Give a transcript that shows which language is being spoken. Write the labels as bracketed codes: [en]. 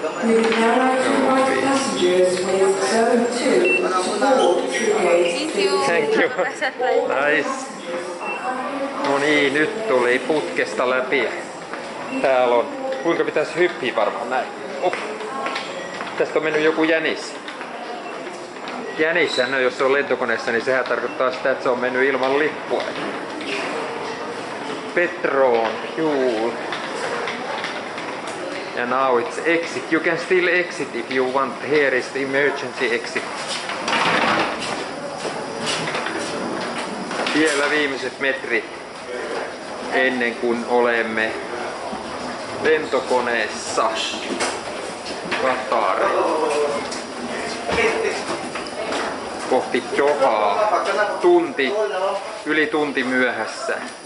[en] We would now like to invite passengers with 72 to board through gate. Thank you. Nice. [fi] No niin, nyt tuli putkesta läpi. Täällä on. Kuinka pitäisi hyppiä varmaan näin? Tästä on mennyt joku jänis. Jänishän, no jos se on lentokoneessa, niin sehän tarkoittaa sitä, että se on mennyt ilman lippua. [en] Petron, fuel. [fi] Ja [en] now it's exit. You can still exit if you want. Here is the emergency exit. [fi] Vielä viimeiset metrit ennen kuin olemme lentokoneessa. Qatar. Kohti Dohaa. Tunti. Yli tunti myöhässä.